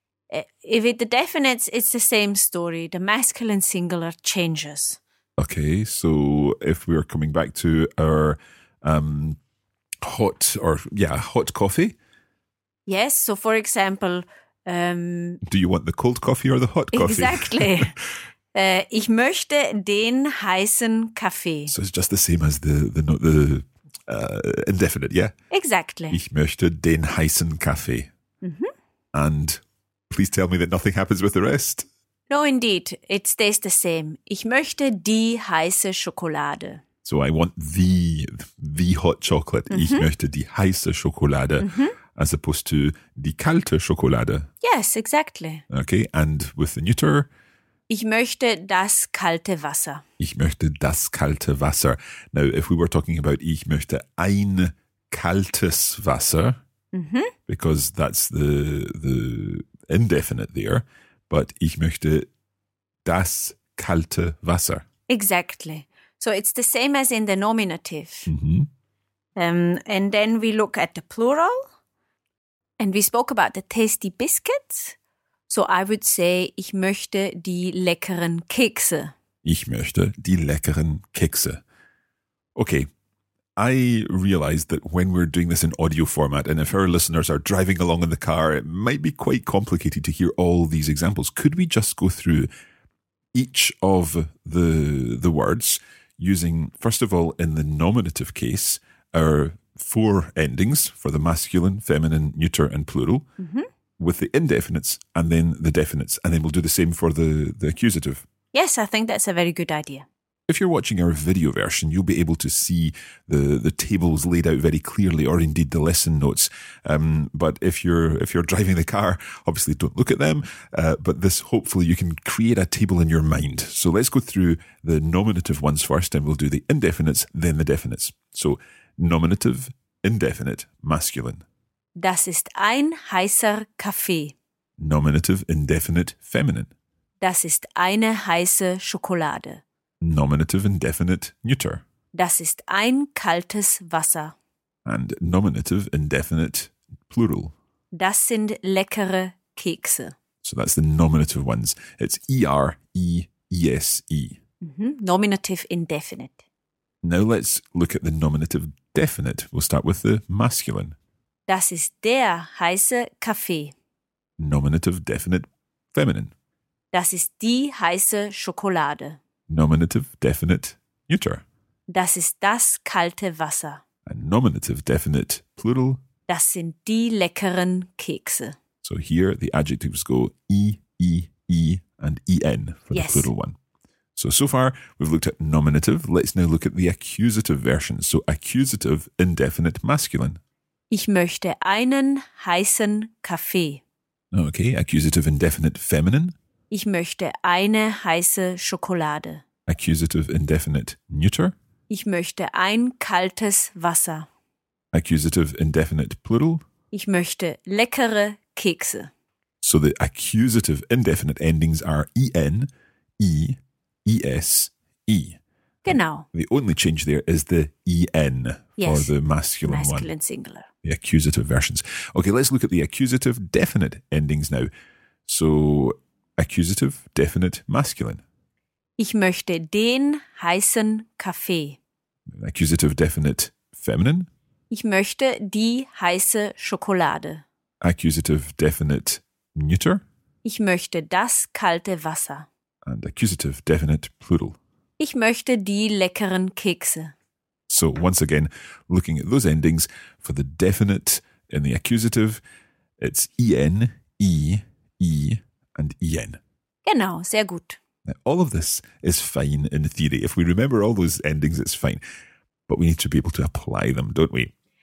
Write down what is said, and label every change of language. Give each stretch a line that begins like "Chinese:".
English: If it the definites, it's the same story. The masculine singular changes. Okay, so if we're coming back to our hot coffee. Yes, so for example... do you want the cold coffee or the hot coffee? Exactly.
German: ich möchte den heißen Kaffee.
English: So it's just the same as the indefinite, yeah? Exactly.
German: Ich möchte den heißen Kaffee.
English: Mm-hmm. And please tell me that nothing happens with the rest. No, indeed. It stays the same.
German: Ich möchte die heiße Schokolade.
English: So I want the hot chocolate. Mm-hmm.
German: Ich möchte die heiße Schokolade, mm-hmm.
English: as opposed to
German: die kalte Schokolade.
English: Yes, exactly. Okay, and with the neuter?
German: Ich möchte das kalte Wasser. Ich möchte das kalte Wasser.
English: Now, if we were talking about
German: ich möchte ein kaltes Wasser,
English: mm-hmm. because that's the indefinite there, but
German: ich möchte das kalte Wasser.
English: Exactly. So it's the same as in the nominative. Mm-hmm. And then we look at the plural and we spoke about the tasty biscuits. So I would say,
German: ich möchte die leckeren Kekse. Ich möchte die leckeren Kekse.
English: Okay. I realize that when we're doing this in audio format, and if our listeners are driving along in the car, it might be quite complicated to hear all these examples. Could we just go through each of the words using, first of all, in the nominative case, our four endings for the masculine, feminine, neuter, and plural, mm-hmm. with the indefinites and then the definites, and then we'll do the same for the accusative. Yes, I think that's a very good idea. If you're watching our video version, you'll be able to see the tables laid out very clearly, or indeed the lesson notes. But if you're driving the car, obviously don't look at them. But this, hopefully you can create a table in your mind. So let's go through the nominative ones first, and we'll do the indefinites, then the definites. So nominative, indefinite, masculine.
German: Das ist ein heißer Kaffee.
English: Nominative, indefinite, feminine.
German: Das ist eine heiße Schokolade.
English: Nominative, indefinite, neuter.
German: Das ist ein kaltes Wasser.
English: And nominative, indefinite, plural.
German: Das sind leckere Kekse.
English: So that's the nominative ones. It's E-R-E-E-S-E. Mm-hmm. Nominative, indefinite. Now let's look at the nominative definite. We'll start with the masculine.
German: Das ist der heiße Kaffee.
English: Nominative, definite, feminine.
German: Das ist die heiße Schokolade.
English: Nominative, definite, neuter.
German: Das ist das kalte Wasser.
English: And nominative, definite, plural.
German: Das sind die leckeren Kekse.
English: So here the adjectives go E, E, E and EN for the plural one. So far we've looked at nominative. Let's now look at the accusative version. So accusative, indefinite, masculine.
German: Ich möchte einen heißen Kaffee.
English: Okay, accusative, indefinite, feminine.
German: Ich möchte eine heiße Schokolade.
English: Accusative, indefinite, neuter.
German: Ich möchte ein kaltes Wasser.
English: Accusative, indefinite, plural.
German: Ich möchte leckere Kekse.
English: So the accusative indefinite endings are en, e, es, e.
German: Genau.
English: The only change there is the en for the masculine one. Singular. The accusative versions. Okay, let's look at the accusative definite endings now. So accusative, definite, masculine.
German: Ich möchte den heißen Kaffee.
English: Accusative, definite, feminine.
German: Ich möchte die heiße Schokolade.
English: Accusative, definite, neuter.
German: Ich möchte das kalte Wasser.
English: And accusative, definite, plural.
German: Ich möchte die leckeren Kekse.
English: So once again, looking at those endings, for the definite in the accusative, it's en, e, e, and en.
German: Genau, sehr gut.
English: Now, all of this is fine in theory. If we remember all those endings, it's fine. But we need to be able to apply them, don't we?